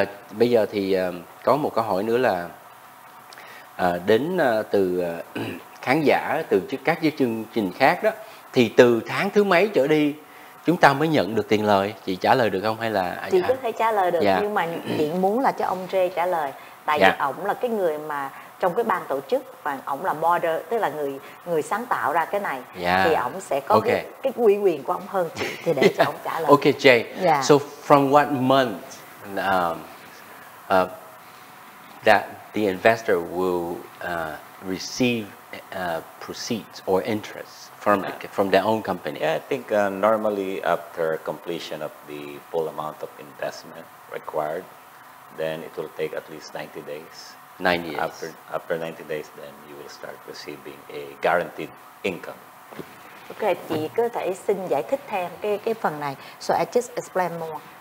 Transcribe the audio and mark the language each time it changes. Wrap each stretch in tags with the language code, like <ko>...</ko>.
<vi>Bây giờ thì có một câu hỏi nữa là đến từ khán giả từ các chương trình khác đó, thì từ tháng thứ mấy trở đi chúng ta mới nhận được tiền lời, chị trả lời được không hay là chị có thể trả lời được? Dạ. Nhưng mà chị muốn là cho ông Jay trả lời, tại dạ. vì ổng là cái người mà trong cái ban tổ chức, và ổng là border, tức là người sáng tạo ra cái này.</vi> <en>Yeah.</en> <vi>Thì ổng sẽ có okay. cái quy quyền của ổng hơn chị, thì để cho ổng trả lời.</vi> <en>Okay Jay. Yeah. So from what month that the investor will receive proceeds or interest from from their own company? Yeah, I think normally after completion of the full amount of investment required, then it will take at least 90 days. 90 days. After 90 days, then you will start receiving a guaranteed income.</en> <vi>Okay, chị có thể xin giải thích thêm cái phần này.</vi> <en>So I just explain more.</en>